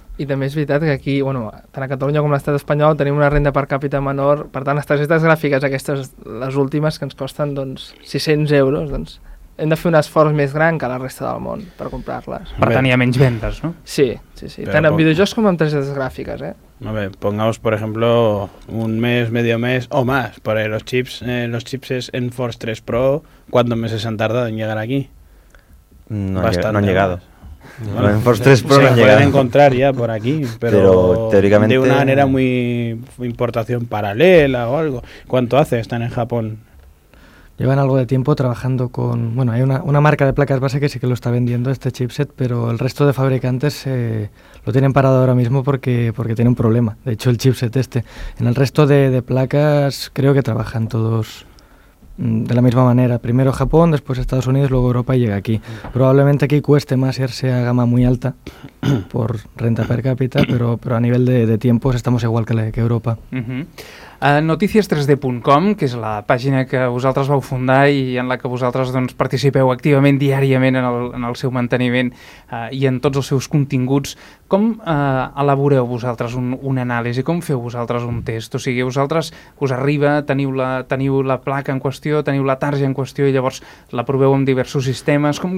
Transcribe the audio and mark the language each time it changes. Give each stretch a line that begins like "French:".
Catalan: I també és veritat que aquí, bueno, tant a Catalunya com a l'estat espanyol tenim una renda per càpita menor, per tant les targetes gràfiques aquestes, les últimes, que ens costen doncs, 600 euros, doncs... Hem de fer un esforç més gran que la resta del món per comprar-les. Per tant, hi ha menys vendes, no? Sí, sí, sí. Tant en videojocs com en targetes gràfiques,
Spanish: A ver, pongamos, por ejemplo, un mes, medio mes o más. Porque los chips es en Force 3 Pro, ¿cuántos meses han tardado en llegar aquí? No han llegado. Bueno, en Force 3 Pro se no han llegado. Se pueden encontrar ya por aquí, pero teóricamente, de una manera muy importación paralela o algo. ¿Cuánto hace están en Japón? Llevan algo de tiempo trabajando con... Bueno, hay una marca de placas base que sí que lo está vendiendo este chipset, pero el resto de fabricantes lo tienen parado ahora mismo porque tiene un problema. De hecho, el chipset este. En el resto de placas creo que trabajan todos de la misma manera. Primero Japón, después Estados Unidos, luego Europa y llega aquí. Probablemente aquí cueste más irse a gama muy alta por renta per cápita, pero a nivel de tiempos estamos igual que Europa. Uh-huh.
Catalan: Noticies3D.com, que és la pàgina que vosaltres vau fundar i en la que vosaltres doncs, participeu activament diàriament en el seu manteniment i en tots els seus continguts, com elaboreu vosaltres un anàlisi? Com feu vosaltres un test? O sigui, vosaltres us arriba, teniu la placa en qüestió, teniu la targeta en qüestió i llavors la proveu amb diversos sistemes.